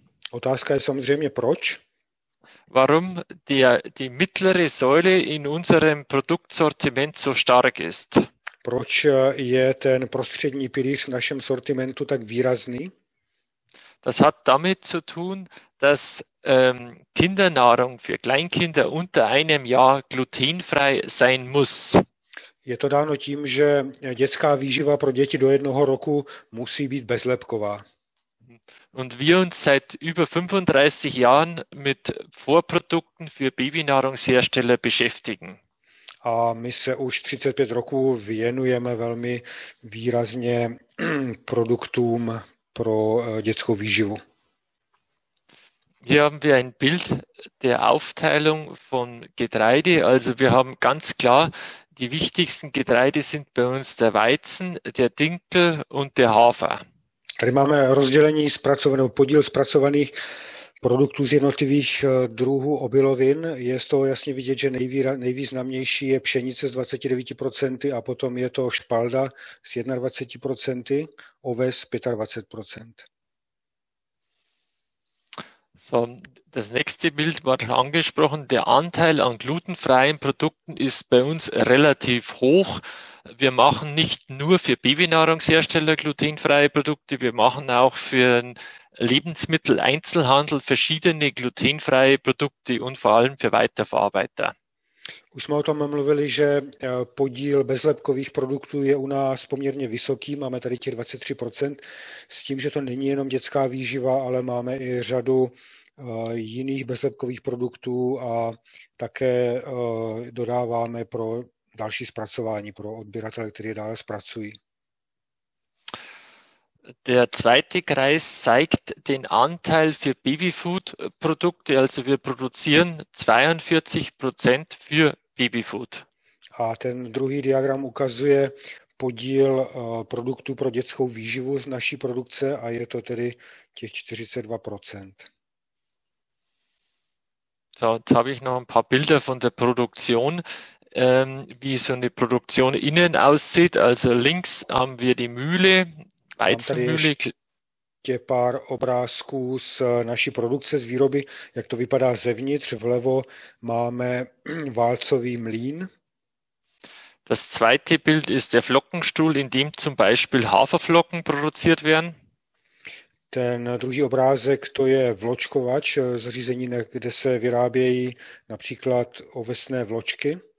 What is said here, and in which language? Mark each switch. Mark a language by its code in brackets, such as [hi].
[cs] Otázka je samozřejmě proč. [de] Warum die mittlere Säule in unserem Produktsortiment so stark ist? [cs] Proč je ten prostřední pilíř v našem sortimentu tak výrazný? [de] Das hat damit zu tun, dass Kindernahrung für Kleinkinder unter einem Jahr glutenfrei sein muss. [cs] Je to dáno tím, že dětská výživa pro děti do jednoho roku musí být bezlepková. [de] Und wir uns seit über 35 Jahren mit Vorprodukten für Babynahrungshersteller beschäftigen. [cs] A my se už 35 roků věnujeme velmi výrazně produktům pro dětskou výživu. [de] Hier haben wir ein Bild der Aufteilung von Getreide. Also wir haben ganz klar, die wichtigsten Getreide sind bei uns der Weizen, der Dinkel und der Hafer. [cs] Tady máme rozdělení zpracovaného, podíl zpracovaných produktů z jednotlivých druhů obilovin. Je z toho jasně vidět, že nejvýznamnější je pšenice s 29% a potom je to špalda s 21%, oves 25%. [de] So, das nächste Bild war angesprochen. Der Anteil an glutenfreien Produkten ist bei uns relativ hoch. Wir machen nicht nur für Babynahrungshersteller glutenfreie Produkte, wir machen auch für Lebensmitteleinzelhandel verschiedene glutenfreie Produkte und vor allem für Weiterverarbeiter. [cs] Už jsme o tom mluvili, že podíl bezlepkových produktů je u nás poměrně vysoký, máme tady těch 23%, s tím, že to není jenom dětská výživa, ale máme i řadu jiných bezlepkových produktů a také dodáváme pro další zpracování, pro odběratele, který je dále zpracují. [de] Der zweite Kreis zeigt den Anteil für Babyfood-Produkte, also wir produzieren 42% für Babyfood. [cs] A ten druhý diagram ukazuje podíl produktů pro dětskou výživu z naší produkce a je to tedy těch 42%. [de] So, jetzt habe ich noch ein paar Bilder von der Produktion, wie so eine Produktion innen aussieht. Also links haben wir die Mühle, Weizenmühle. [cs] Je pár obrázků z naší produkce, z výroby, jak to vypadá zevnitř. Vlevo máme válcový mlýn. [de] Das zweite Bild ist der Flockenstuhl, in dem zum Beispiel Haferflocken produziert werden. [cs] Ten druhý obrázek, to je vločkovač, zařízení, kde se vyrábějí například ovesné vločky.